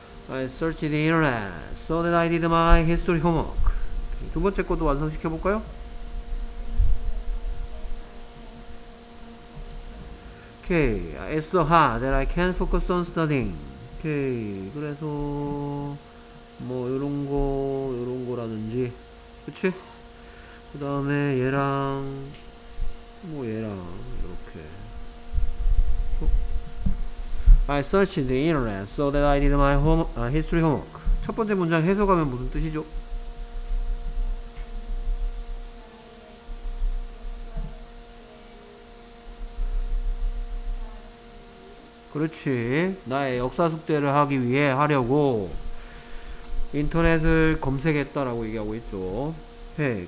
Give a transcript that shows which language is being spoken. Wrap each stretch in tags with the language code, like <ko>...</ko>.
<en>'I searched the internet so that I did my history homework.'</en> <ko>두 번째 것도 완성시켜 볼까요?</ko> <en>오케이, okay. 'It's so hard that I can't focus on studying.' 오케이, okay.</en> <ko>그래서 뭐 이런 거, 이런 거라든지, 그렇지? 그다음에 얘랑 뭐 얘랑 이렇게. 어?</ko> <en>'I searched the internet so that I did my history homework.'</en> <ko>첫 번째 문장 해석하면 무슨 뜻이죠? 그렇지. 나의 역사 숙제를 하기 위해 하려고 인터넷을 검색했다라고 얘기하고 있죠. 네.</ko>